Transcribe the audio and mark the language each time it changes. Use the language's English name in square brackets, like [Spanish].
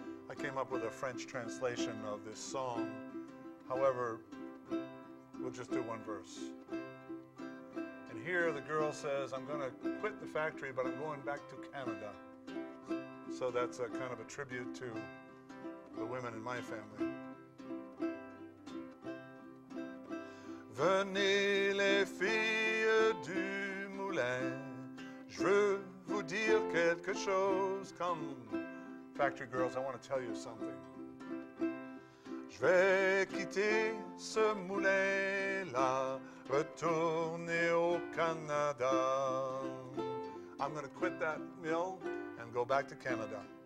[English] I came up with a French translation of this song. However, we'll just do one verse. And here the girl says, I'm going to quit the factory, but I'm going back to Canada. So that's a kind of a tribute to the women in my family. [French] Venez les filles du moulin, je veux vous dire quelque chose. [English] Come, factory girls, I want to tell you something. [French] Je vais quitter ce moulin-là, retourner au Canada. [English] I'm going to quit that mill and go back to Canada.